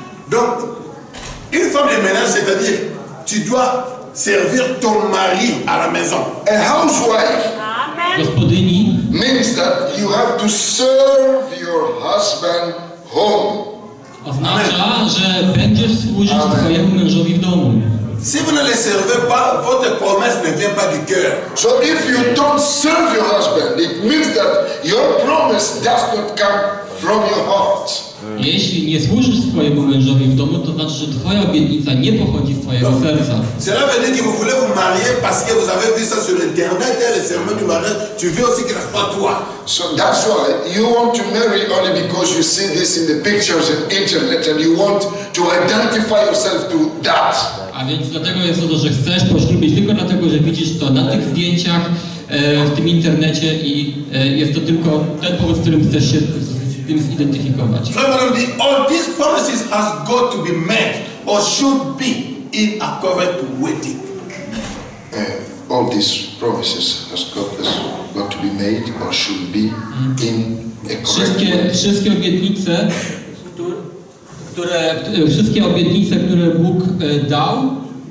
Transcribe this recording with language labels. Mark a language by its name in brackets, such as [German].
[French] Donc, une femme de ménage, c'est-à-dire, tu dois servir ton mari à la maison. [English] A housewife. [Polish] Gospodyni. [English] Means that you have to serve your husband home. [Polish] Oznacza, że będziesz służyć twojemu mężowi w domu. [French] Si vous ne le servez pas, votre promesse ne vient pas du cœur. [English] So if you don't serve your husband, it means that your promise does not come from your heart. [Polish] Jeśli nie służysz swojemu mężowi w domu, to znaczy, że twoja obietnica nie pochodzi z twojego serca. [French] Cela veut dire que vous voulez vous marier parce que vous avez vu ça sur internet, le serment du mariage. Tu veux aussi que la foi toi. [English] So that's why you want to marry only because you see this in the pictures and internet and you want to identify yourself to that. [Polish] A więc dlatego jest to, że chcesz poślubić tylko dlatego, że widzisz to na tych zdjęciach, w tym internecie i jest to tylko ten powód, z którym chcesz się zidentyfikować. [French] Frère dit, [English] all these promises has got to be met or should be in a covenant wedding. All these promises has got to be made or should be in a covenant wedding. [Polish] Wszystkie obietnice, wszystkie obietnice, które Bóg dał,